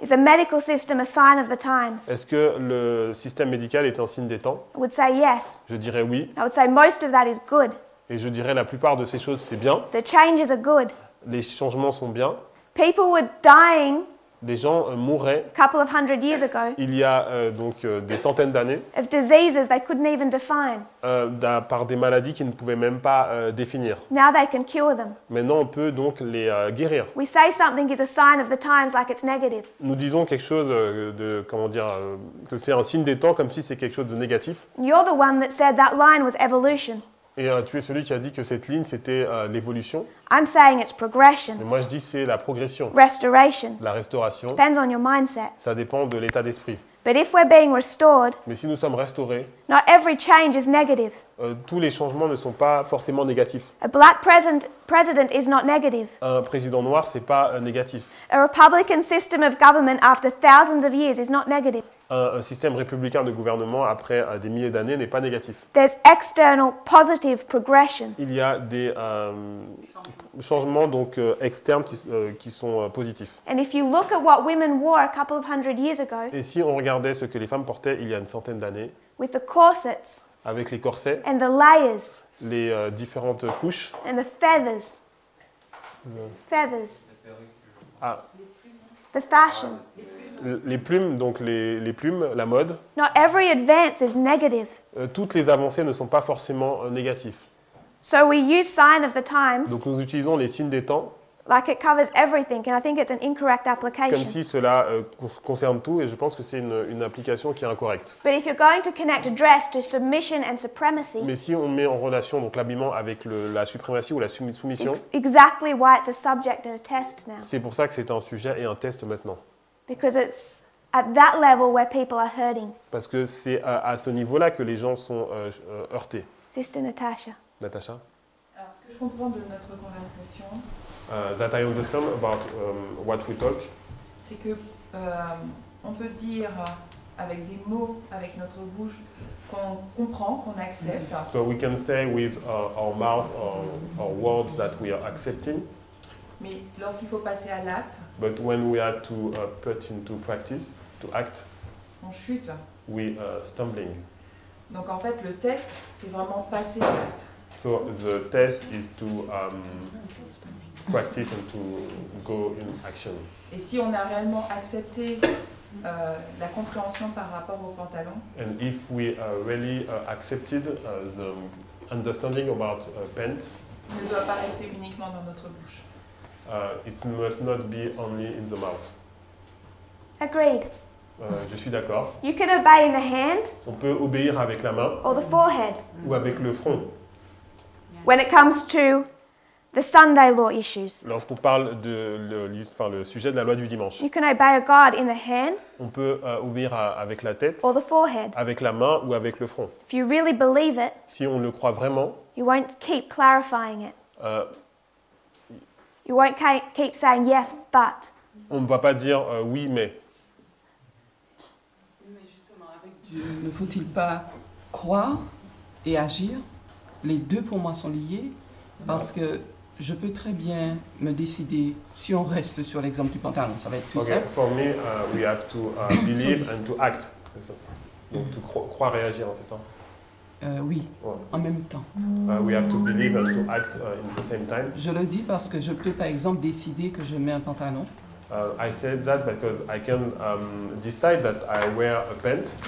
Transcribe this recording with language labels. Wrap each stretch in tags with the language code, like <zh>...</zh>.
<en>Is the medical system a sign of the times?</en> <fr>Est-ce que le système médical est un signe des temps?</fr> <en>I would say yes.</en> <fr>Je dirais oui.</fr> <en>I would say most of that is good.</en> <fr>Et je dirais la plupart de ces choses c'est bien.</fr> <en>The changes are good.</en> <fr>Les changements sont bien.</fr> <en>People were dying.</en> <fr>Des gens mouraient.</fr> <en>A couple of hundred years ago.</en> <fr>Il y a des centaines d'années.</fr> <en>Of diseases they couldn't even define.</en> <fr>Par des maladies qu'ils ne pouvaient même pas définir.</fr> <en>Now they can cure them.</en> <fr>Maintenant, on peut donc les guérir.</fr> <en>We say something is a sign of the times, like it's negative.</en> <fr>Nous disons quelque chose que c'est un signe des temps, comme si c'est quelque chose de négatif.</fr> <en>You're the one that said that line was evolution.</en> <fr>Et tu es celui qui a dit que cette ligne, c'était l'évolution.</fr> <en>I'm saying it's progression.</en> <fr>Mais moi, je dis que c'est la progression.</fr> <en>Restoration.</en> <fr>La restauration.</fr> <en>Depends on your mindset.</en> <fr>Ça dépend de l'état d'esprit.</fr> <en>But if we're being restored,</en> <fr>mais si nous sommes restaurés,</fr> <en>not every change is negative.</en> <fr>Tous les changements ne sont pas forcément négatifs.</fr> <en>A black president is not negative.</en> <fr>Un président noir, ce n'est pas négatif.</fr> <en>A republican system of government after thousands of years is not negative.</en> <fr>Un système républicain de gouvernement après des milliers d'années n'est pas négatif.</fr> <en>There's external positive progression.</en> <fr>Il y a des changements donc externes qui sont positifs.</fr> <en>And if you look at what women wore a couple of hundred years ago.</en> <fr>Et si on regardait ce que les femmes portaient il y a une centaine d'années.</fr> <en>With the corsets.</en> <fr>Avec les corsets.</fr> <en>And the layers.</en> <fr>Les différentes couches.</fr> <en>And the feathers. Feathers. Ah. The fashion.</en> <fr>Les plumes, donc les plumes, la mode.</fr> <en>Not every advance is negative.</en> <fr>Toutes les avancées ne sont pas forcément négatives.</fr> <en>So we use sign of the times.</en> <fr>Donc nous utilisons les signes des temps.</fr> <en>Like it covers everything, and I think it's an incorrect application.</en> <fr>Comme si cela concerne tout, et je pense que c'est une application qui est incorrecte.</fr> <en>But if you're going to connect dress to submission and supremacy.</en> <fr>Mais si on met en relation donc l'habillement avec la suprématie ou la soumission.</fr> <en>Exactly why it's a subject and a test now.</en> <fr>C'est pour ça que c'est un sujet et un test maintenant.</fr> <en>Because it's at that level where people are hurting.</en> <fr>Parce que c'est à ce niveau-là que les gens sont heurtés.</fr> <en>Sister Natasha.</en> <fr>Natasha. Alors, ce que je comprends de notre conversation.</fr> <en>That I understand about what we talk.</en> <fr>C'est que on peut dire avec des mots, avec notre bouche, qu'on comprend, qu'on accepte.</fr> <en>So we can say with our mouth or our words that we are accepting.</en> <fr>Mais lorsqu'il faut passer à l'acte.</fr> <en>But when we have to put into practice, to act.</en> <fr>On chute.</fr> <en>We are stumbling.</en> <fr>Donc en fait, le test, c'est vraiment passer à l'acte.</fr> <en>So the test is to practice and to go in action.</en> <fr>Et si on a réellement accepté la compréhension par rapport au pantalon?</fr> <en>And if we really accepted the understanding about pants?</en> <fr>Il ne doit pas rester uniquement dans notre bouche.</fr> <en>It must not be only in the mouth. Agreed.</en> <fr>Je suis d'accord.</fr> <en>You can obey in the hand.</en> <fr>On peut obéir avec la main.</fr> <en>Or the forehead.</en> <fr>Ou avec le front.</fr> <en>When it comes to the Sunday law issues.</en> <fr>Lorsqu'on parle de le sujet de la loi du dimanche.</fr> <en>You can obey God in the hand.</en> <fr>On peut obéir avec la tête.</fr> <en>Or the forehead.</en> <fr>Avec la main ou avec le front.</fr> <en>If you really believe it.</en> <fr>Si on le croit vraiment.</fr> <en>You won't keep clarifying it. You won't keep saying yes, but.</en> <fr>On ne va pas dire oui, mais. Mais justement, avec Dieu, ne faut-il pas croire et agir? Les deux pour moi sont liés parce que je peux très bien me décider si on reste sur l'exemple du pantalon, ça va être tout simple.</fr> <en>Okay, for me, we have to believe and to act.</en> <fr>Donc, to croire et agir, c'est ça? Oui, en même temps.</fr> <en>We have to believe and to act in the same time.</en> <fr>Je le dis parce que je peux, par exemple, décider que je mets un pantalon.</fr> <en>I said that because I can decide that I wear a pant.</en>